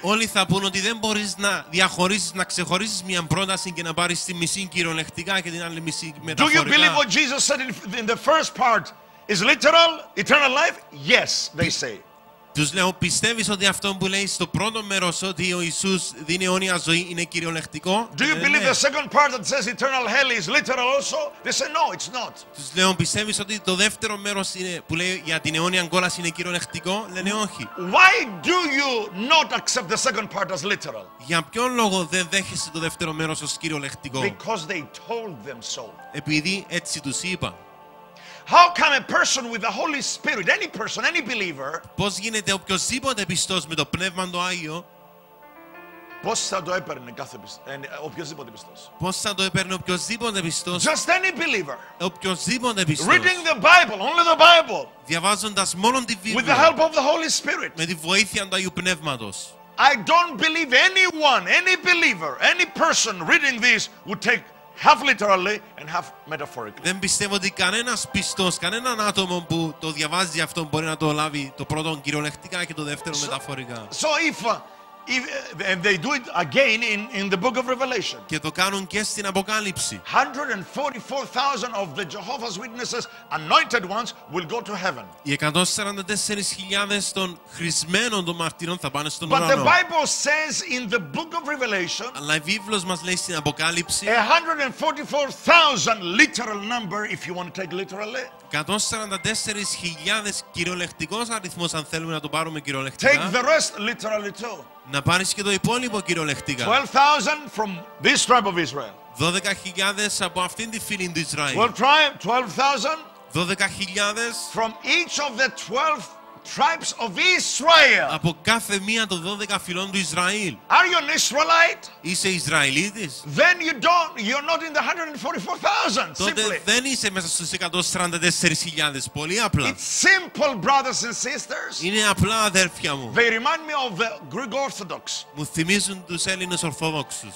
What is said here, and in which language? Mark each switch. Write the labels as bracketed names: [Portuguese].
[Greek] Όλοι θα πούν ότι δεν μπορείς να διαχωρίσεις, να ξεχωρίσεις μια πρόταση και να πάρεις τη μισή κυριολεκτικά και την άλλη μισή μεταφορικά. [English] Do you believe what Jesus said in the first part is literal, eternal life? Yes, they say. [Greek] Τους λέω, πιστεύεις ότι αυτό που λέει στο πρώτο μέρος ότι ο Ιησούς δίνει αιώνια ζωή είναι κυριολεκτικό? [English] Do you believe the second part that says eternal hell is literal also? They say no, it's not. [Greek] Τους λέω, πιστεύεις ότι το δεύτερο μέρος είναι που λέει για την αιώνια κόλαση είναι κυριολεκτικό? Λένε όχι. [English] Why do you not accept the second part as literal? [Greek] Για ποιον λόγο δεν δέχεσαι το δεύτερο μέρος ως κυριολεκτικό? [English] Because they told them so. [Greek] Επειδή έτσι τους είπα. [English] How come a person with the Holy Spirit, any person, any believer? [Greek] Πώς γίνεται οποιοςδήποτε πιστός με το Πνεύμα το Άγιο? Πώς θα το έπαιρνε κάθε οποιοςδήποτε πιστός? Πώς θα το έπαιρνε οποιοςδήποτε πιστός? [English] Just any believer. [Greek] Οποιοςδήποτε πιστός. [English] Reading the Bible, only the Bible. [Greek] Διαβάζοντας μόνο τη Βιβλία. [English] With the help of the Holy Spirit. [Greek] Με τη βοήθεια του Αγίου Πνεύματος. [English] I don't believe anyone, any believer, any person reading this would take half literally and half metaphorically. [Greek] Δεν πιστεύω ότι κανένας πιστός, κανέναν άτομο που το διαβάζει αυτό μπορεί να το λάβει το πρώτο κυριολεκτικά και το δεύτερο μεταφορικά. [English] So if and they do it again in the book of Revelation. [Greek] Και το κάνουν και στην Αποκάλυψη. [English] 144,000 of the Jehovah's Witnesses anointed ones will go to heaven. [Greek] Οι 144,000 των χρησμένων των μαρτυρών θα πάνε στον ουρανό. [English] But the Bible says in the book of Revelation. [Greek] Αλλά η Βίβλος μας λέει στην Αποκάλυψη. [English] 144,000 literal number if you want to take literally. [Greek] 144,000 κυριολεκτικός αριθμός αν θέλουμε να το πάρουμε κυριολεκτικά. [English] Take the rest literally too. [Greek] Να πάρεις και το υπόλοιπο κυριολεκτικά. [English] 12,000 from this tribe of Israel. [Greek] 12,000 από αυτήν τη φύλη του Ισραήλ. [English] 12,000 from each of the 12 tribes of Israel. [Greek] Από κάθε μία των 12 φυλών του Ισραήλ. [English] Are you an Israelite? [Greek] Είσαι Ισραηλίτης? [English] Then you're not in the 144,000. [Greek] Τότε δεν είσαι μέσα στους 144,000. Πολύ απλά. [English] It's simple, brothers and sisters. [Greek] Είναι απλά, αδέρφια μου. [English] They remind me of the Greek Orthodox. [Greek] Μου θυμίζουν τους Έλληνες Ορθόδοξους.